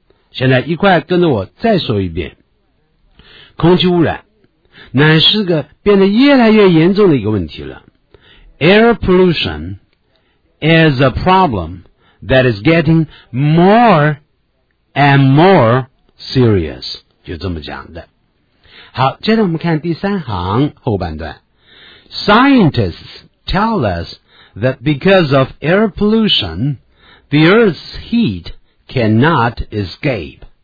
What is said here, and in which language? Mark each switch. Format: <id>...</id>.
<zh>现在一块跟着我再说一遍，空气污染乃是个变得越来越严重的一个问题了。</zh> <en>Air pollution is a problem that is getting more and more serious，</en> <zh>就这么讲的。好，接着我们看第三行后半段。</zh> <en>Scientists tell us that because of air pollution, the Earth's heat cannot escape。</en>